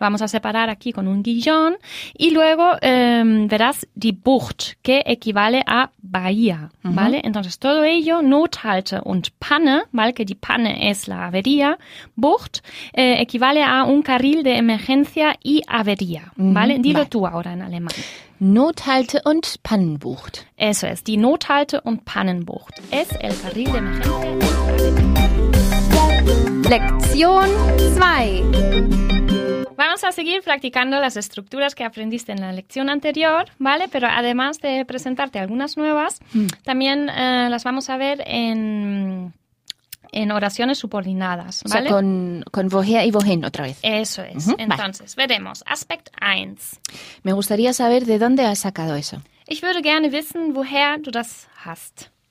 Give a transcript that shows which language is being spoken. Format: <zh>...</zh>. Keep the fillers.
<es>Lo vamos a separar aquí con un guillón. Y luego verás die Bucht, que equivale a bahía, ¿vale? Uh -huh. Entonces todo ello, Not, Halte und Panne, ¿vale? Que die Panne es la avería. Bucht equivale a un carril de emergencia y Avería, ¿vale? Dilo Bye. tú ahora en alemán.</es> <de>Nothalte und Pannenbucht.</de> <es>Eso es,</es> <de>die Nothalte und Pannenbucht.</de> <es>Es el carril de emergencia. Lección 2. Vamos a seguir practicando las estructuras que aprendiste en la lección anterior, ¿vale? Pero además de presentarte algunas nuevas, mm. también uh, las vamos a ver en en oraciones subordinadas. ¿vale? O sea, con, con vojea y vojín otra vez. Eso es. Uh -huh, Entonces, vale. veremos. Aspect 1. Me gustaría saber de dónde has sacado eso.</es> <de>Ich würde gerne wissen, woher du das hast.</de>